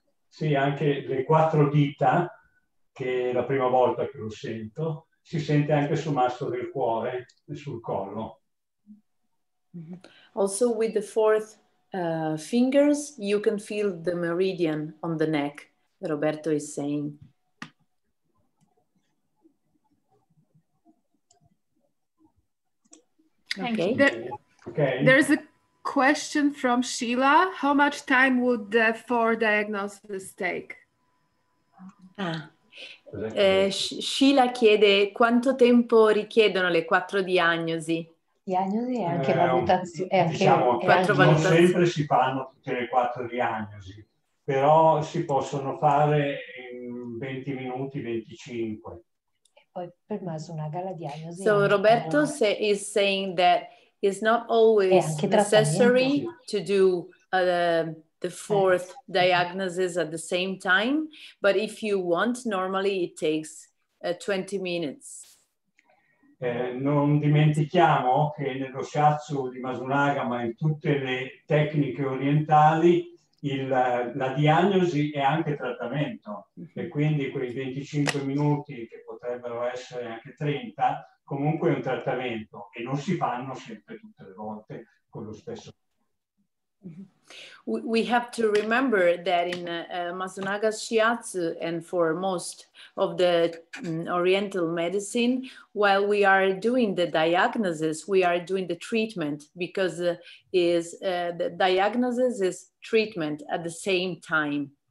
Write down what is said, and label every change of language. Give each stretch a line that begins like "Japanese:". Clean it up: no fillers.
Italian: Sì, anche le quattro dita, che è la prima volta che lo sento, si sente anche sul mastro del cuore e sul collo.
English: Also with the fourth fingers, you can feel the meridian on the neck, Roberto is saying. Okay. There's a question from Sheila. How much time would the four diagnoses take?
Italian: Sheila chiede quanto tempo richiedono le quattro diagnosi. Diagnosi e anche valutazione. Non sempre si fanno tutte le quattro diagnosi, però si possono fare in 20 minuti, 25. E poi per más una gala diagnosi.
English: So Roberto is saying that it's not always necessary to do the fourth diagnosis at the same time, but if you want, normally it takes 20 minutes.
Italian: Non dimentichiamo che nello shiatsu di Masunaga, ma in tutte le tecniche orientali, la diagnosi è anche trattamento, e quindi quei 25 minuti, che potrebbero essere anche 30, comunque è un trattamento, e non si fanno sempre tutte le volte con lo stesso.
English: We have to remember that in Masunaga Shiatsu and for most of the Oriental medicine, while we are doing the diagnosis, we are doing the treatment, because the diagnosis is treatment at the same time.